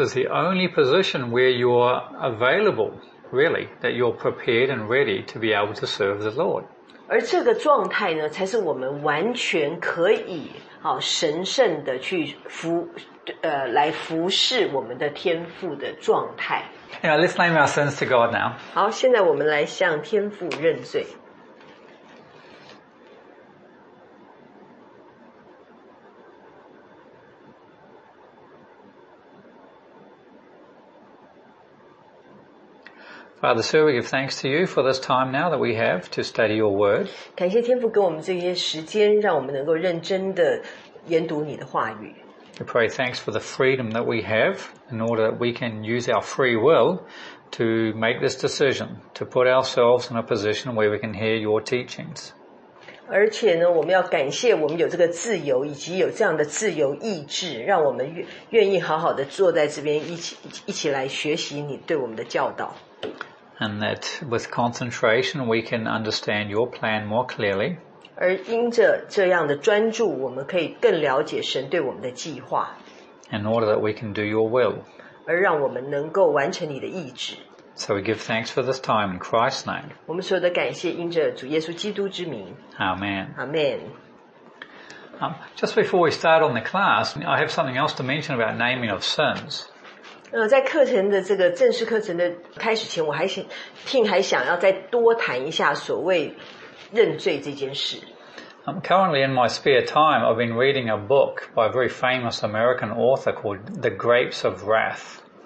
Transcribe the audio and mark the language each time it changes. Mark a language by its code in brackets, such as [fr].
[en] is the only position where you're available, really, that you're prepared and ready to be able to serve the Lord. [zh] 而这个状态呢，才是我们完全可以好神圣的去服，来服侍我们的天父的状态。 [en] Yeah, let's name our sins to God now. [zh] 好，现在我们来向天父认罪。Father, [en] sir, we give thanks to you for this time now that we have to study your word. [zh] 感谢天父给我们这些时间，让我们能够认真的研读你的话语。 [en] We pray thanks for the freedom that we have in order that we can use our free will to make this decision, to put ourselves in a position where we can hear your teachings. [zh] 而且呢，我们要感谢我们有这个自由，以及有这样的自由意志，让我们愿意好好的坐在这边一起来学习你对我们的教导。 [en] And that with concentration we can understand your plan more clearly. [zh] 而因着这样的专注，我们可以更了解神对我们的计划。 [en] In order that we can do your will. [zh] 而让我们能够完成你的意志。 [en] So we give thanks for this time in Christ's name. [zh] 我们所有的感谢因着主耶稣基督之名。 [en] Amen. Amen. Just before we start on the class, I have something else to mention about naming of sins. [zh] 在课程的这个正式课程的开始前，我还想听还想要再多谈一下所谓认罪这件事。 [en] Currently in my spare time, I've been reading a book by a very famous American author called The Grapes of Wrath.